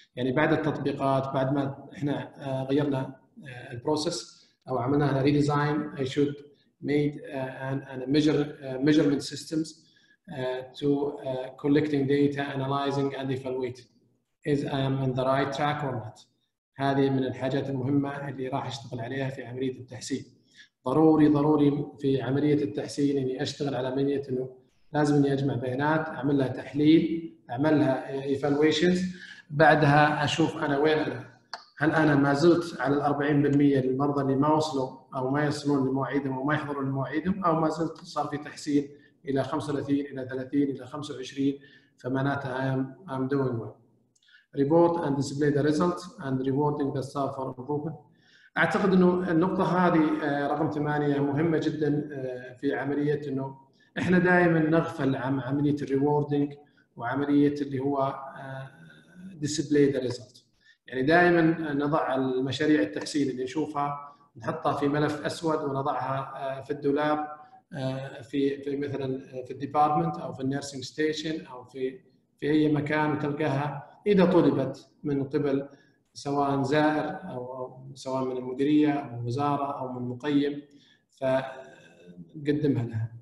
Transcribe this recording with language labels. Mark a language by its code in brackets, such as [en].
[ar] يعني بعد التطبيقات، بعد ما إحنا غيرنا البروسيس أو عملناها [en] redesign، I should made and measurement systems to collecting data, analyzing and evaluate. Is I am on the right track or not? [ar] هذه من الحاجات المهمة اللي راح أشتغل عليها في عملية التحسين. ضروري في عملية التحسين إني أشتغل على منية إنه لازم إني أجمع بيانات، أعمل لها تحليل، أعمل لها evaluations بعدها أشوف أنا وين أنا، هل أنا ما زلت على 40% للمرضى اللي ما وصلوا أو ما يصلون لمواعيدهم أو ما يحضروا لمواعيدهم، أو ما زلت صار في تحسين إلى 35 إلى 30 إلى 25، فمعناتها [en] I'm doing well. Report and display the result and rewarding the staff for improvement. [ar] أعتقد أنه النقطة هذه رقم 8 مهمة جدا في عملية أنه إحنا دائما نغفل عن عملية rewarding وعملية اللي هو [en] display the result. [ar] يعني دائما نضع المشاريع التحسين اللي نشوفها نحطها في ملف أسود ونضعها في الدولاب في مثلا في الديبارتمنت أو في النيرسينج ستيشن أو في أي مكان، تلقاها إذا طلبت من قبل سواء زائر أو سواء من المديرية أو وزارة أو من مقيم فقدمها لها.